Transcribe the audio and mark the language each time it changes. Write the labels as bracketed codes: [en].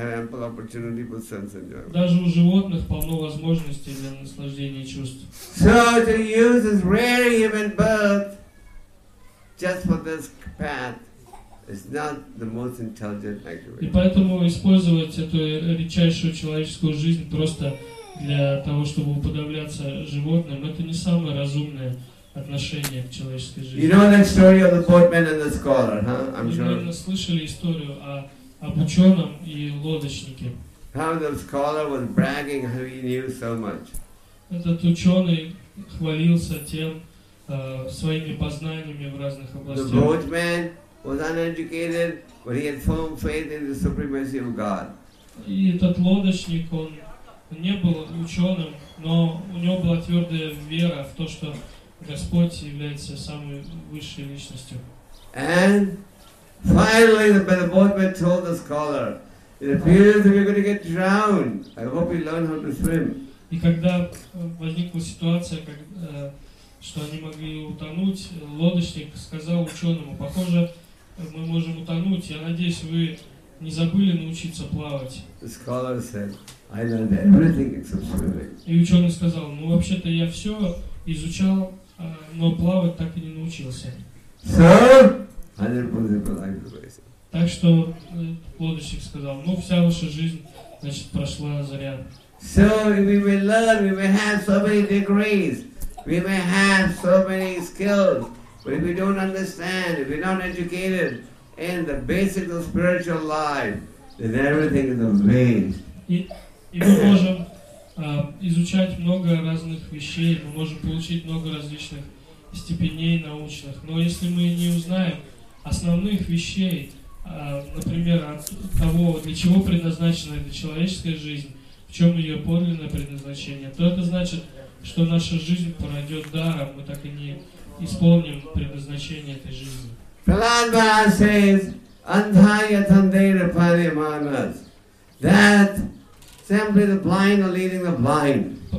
[ru] Даже у животных полно возможностей для наслаждения чувств. [en] So to use this rare human birth just for this path. It's not the most intelligent activity. [ru] И поэтому использовать эту редчайшую человеческую жизнь просто для того, чтобы уподобляться животным, это не самое разумное отношение к человеческой жизни. [en] You know that story of the boatman and the scholar, huh? I'm sure. [ru] Вы, наверное, слышали историю об ученом и лодочнике. [en] How the scholar was bragging how he knew so much. [ru] Этот ученый хвалился тем своими познаниями в разных областях. [en] The boatman was uneducated, but he had firm faith in the supremacy of God. [ru] И этот лодочник, он не был ученым, но у него была твердая вера в то, что Господь является самой высшей личностью. [en] And finally, the boatman told the scholar, "It appears that we're going to get drowned. I hope you learn how to swim." [ru] И когда возникла ситуация, как, что они могли утонуть, лодочник сказал ученому: "Похоже, мы можем утонуть. Я надеюсь, вы не забыли научиться плавать." [en] The scholar said, "I learned everything except swimming." [ru] И ученый сказал: "Ну вообще-то я все изучал, но плавать так и не научился." [en] So, 100% life is [ru] Так что лодочник сказал: "Ну вся ваша жизнь, значит, прошла зря." [en] So we may learn, we may have so many degrees, we may have so many skills, but if we don't understand, if we're not educated in the basics of spiritual life, then everything is a waste. [ru] И мы можем изучать много разных вещей, мы можем получить много различных степеней научных, но если мы не узнаем основных вещей, например, от того, для чего предназначена эта человеческая жизнь, в чем ее подлинное предназначение, то это значит, что наша жизнь пройдет даром, мы так и не исполним предназначение этой жизни. [en] Prahlad Maharaj says, "Andhaya tandera palyamanas," that simply the blind are leading the blind.